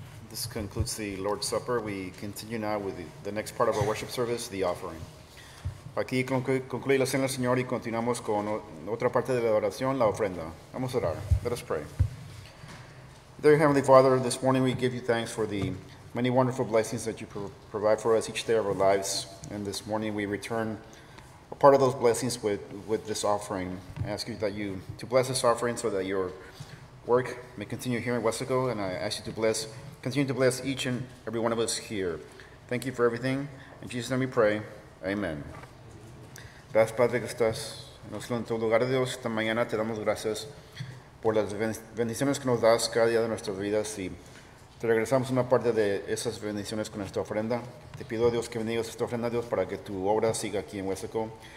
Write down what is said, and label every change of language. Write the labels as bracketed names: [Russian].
[English] This concludes the Lord's Supper. We continue now with the next part of our worship service, the offering. [Spanish] Aquí concluye la cena del Señor y continuamos con otra parte de la oración, la ofrenda. Vamos a orar. [English] Let us pray. Dear Heavenly Father, this morning we give you thanks for the many wonderful blessings that you provide for us each day of our lives. And this morning we return a part of those blessings with this offering. I ask you that you to bless this offering so that your work may continue here in Wesico. And I ask you to bless Continue to bless each and every one of us here. Thank you for everything. In Jesus' name we pray. Amen. [Spanish] Gracias, Padre, que estás en el santo lugar de Dios. Esta mañana te damos gracias por las bendiciones que nos das cada día de nuestras vidas. Y te regresamos una parte de esas bendiciones con esta ofrenda. Te pido, Dios, que bendigas esta ofrenda, Dios, para que tu obra siga aquí en Wesico.